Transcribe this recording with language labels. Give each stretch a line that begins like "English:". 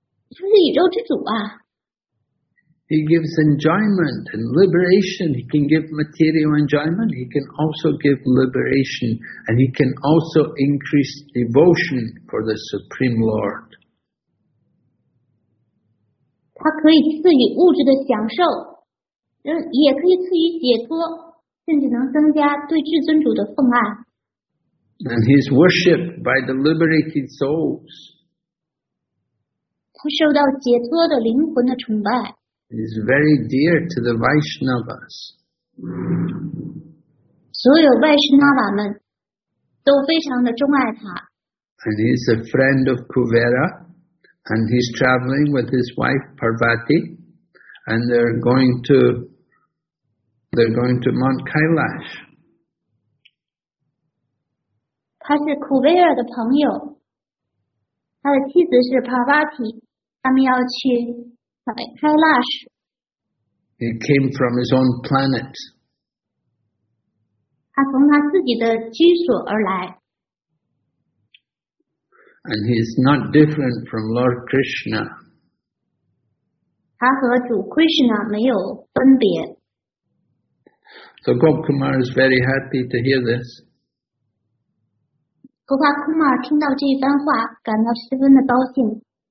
Chinese: 他是宇宙之主啊。
English: He gives enjoyment and liberation. He can give material enjoyment. He can also give liberation. And he can also increase devotion for the Supreme Lord.
Chinese: 他可以赐予物质的享受，也可以赐予解脱，甚至能增加对至尊主的奉爱。
English: And he is worshipped by the liberated souls.
Chinese: 他受到解脱的灵魂的崇拜。
English: It is very dear to the Vaishnavas.
Chinese: 所有 Vaishnava 们都非常的钟爱他。
English: And he is a friend of Kuvera, and he's traveling with his wife Parvati, and they're going to Mount Kailash.
Chinese: 他是 Kuvera 的朋友，他的妻子是 Parvati, 他们要去。 Kailash.
English: He came from his own planet.
Chinese: 他从他自己的居所而来。
English: And he is not different from Lord Krishna.
Chinese: 他和主 Krishna 没有分别。
English: So Gopkumar is very happy to hear this.
Chinese: Gopkumar 听到这一番话感到十分的高兴。